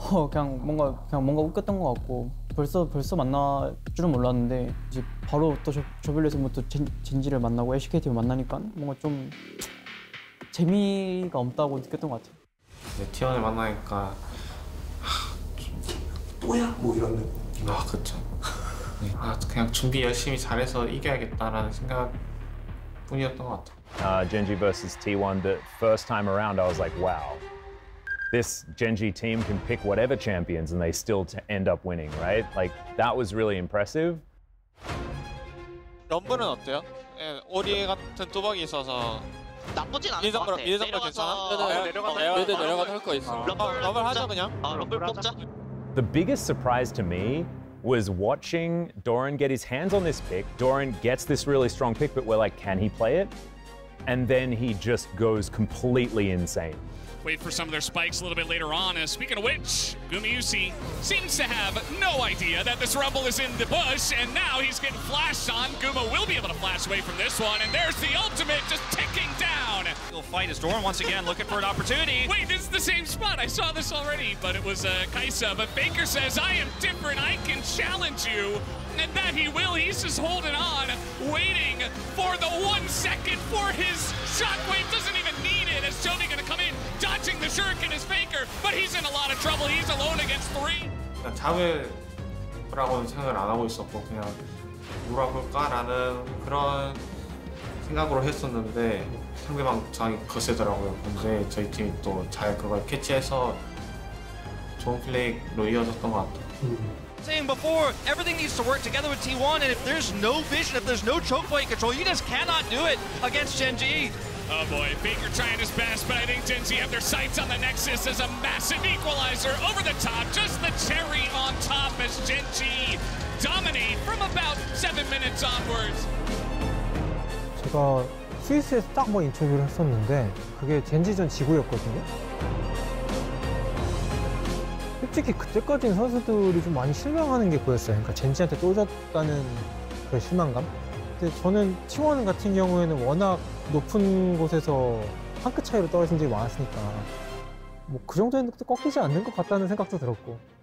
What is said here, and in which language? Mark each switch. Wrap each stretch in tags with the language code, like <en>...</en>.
<ko>그냥 뭔가 웃겼던 것 같고 벌써 만날 줄은 몰랐는데 이제 바로 또 조별리에서부터 젠지를 만나고 LCK팀을 만나니까 뭔가 좀 재미가 없다고 느꼈던 것 같아요. 이제 T1을 만나니까 뭐야? 뭐 이런 느낌. 아 그렇죠. 아 그냥 준비 열심히 잘해서 이겨야겠다라는 생각 뿐이었던 것 같아요.</ko> <en>Genji versus T1 the first time around I was like wow. This Genji team can pick whatever champions and they still end up winning, right? Like, that was really impressive.</en> <ko>럼블은 어때요? 오리 같은 뚜벅이 있어서 나쁘진 않은 것 같아. 1등으로 괜찮아? 내려가서 할 거 있어. 럼블 하자, 그냥. 럼블 뽑자.</ko> <en>The biggest surprise to me was watching Doran get his hands on this pick. Doran gets this really strong pick, but we're like, can he play it? And then he just goes completely insane. Wait for some of their spikes a little bit later on. Speaking of which, Gumiusi seems to have no idea that this rumble is in the bush, and now he's getting flashed on. Guma will be able to flash away from this one, and there's the ultimate just ticking down. He'll fight his Doran once again, looking for an opportunity. Wait, this is the same spot. I saw this already, but it was Kai'Sa. But Baker says, I am different. I can challenge you. And that he will. He's just holding on, waiting for the 1 second for his shockwave. Doesn't even need get in. Is Tony gonna come in? Dodging the shuriken is Faker, but he's in a lot of trouble. He's alone against three.</en> <ko>난 잡을라고는 생각을 안 하고 있었고 그냥 물어볼까라는 그런 생각으로 했었는데 상대방 장이 거세더라고요. 근데 저희 팀이 또 잘 그걸 캐치해서 좋은 플레이로 이어졌던 것 같아요.</ko> <en>Saying before, everything needs to work together with T1, and if there's no vision, if there's no choke point control, you just cannot do it against Gen G. Oh boy, Faker trying his best, but I think Gen G have their sights on the Nexus as a massive equalizer over the top, just the cherry on top as Gen G dominate from about 7 minutes onwards.</en> <ko>제가 스위스에서 딱 뭐 인터뷰를 했었는데 그게 젠지전 지구였거든요. 솔직히 그때까지는 선수들이 좀 많이 실망하는 게 보였어요. 그러니까 젠지한테 또 졌다는 그 실망감. 근데 저는 T1 같은 경우에는 워낙 높은 곳에서 한 끗 차이로 떨어진 적이 많았으니까 뭐 그 정도는 꺾이지 않는 것 같다는 생각도 들었고.</ko>